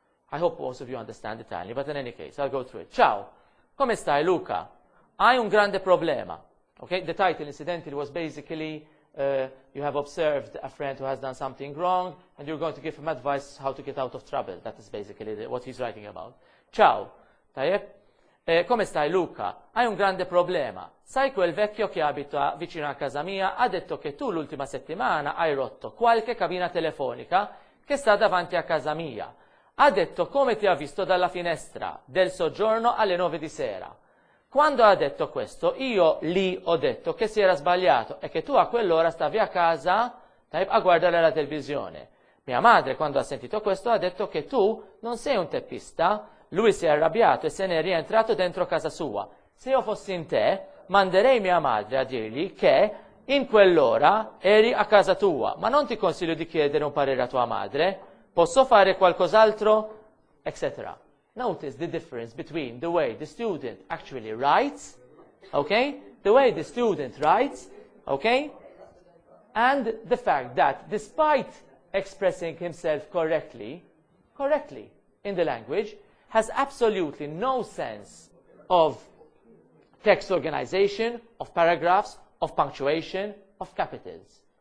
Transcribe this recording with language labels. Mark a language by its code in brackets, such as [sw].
[en] I hope most of you understand Italian, but in any case, I'll go through it. [it] Ciao, come stai, Luca? Hai un grande problema. [en] Okay, the title, incidentally, was basically you have observed a friend who has done something wrong and you're going to give him advice how to get out of trouble. That is basically what he's writing about. [it] Ciao, Tayeb. Come stai, Luca? Hai un grande problema. Sai quel vecchio che abita vicino a casa mia ha detto che tu l'ultima settimana hai rotto qualche cabina telefonica che sta davanti a casa mia. Ha detto come ti ha visto dalla finestra del soggiorno alle 9 di sera. Quando ha detto questo, io lì ho detto che si era sbagliato e che tu a quell'ora stavi a casa a guardare la televisione. Mia madre, quando ha sentito questo, ha detto che tu non sei un teppista. Lui si è arrabbiato e se n'è rientrato dentro casa sua. Se io fossi in te, manderei mia madre a dirgli che in quell'ora eri a casa tua. Ma non ti consiglio di chiedere un parere a tua madre. Posso fare qualcos'altro? Eccetera. [en] Notice the difference between the way the student actually writes, okay, the way the student writes, okay, and the fact that despite expressing himself correctly in the language, has absolutely no sense of text organization, of paragraphs, of punctuation, of capitals.